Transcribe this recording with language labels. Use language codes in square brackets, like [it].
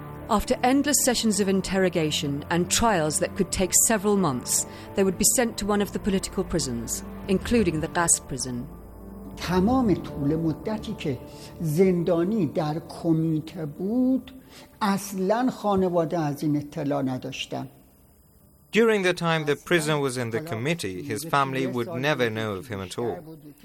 [en] After endless sessions of interrogation and trials that could take several months, they would be sent to one of the political prisons, including the Qasr prison. [fa] تمام طول مدتی که زندانی در کمیته بود اصلا خانواده از این اطلاع نداشتن. [en] During the time the prisoner was in the committee, his family would never know of him at all.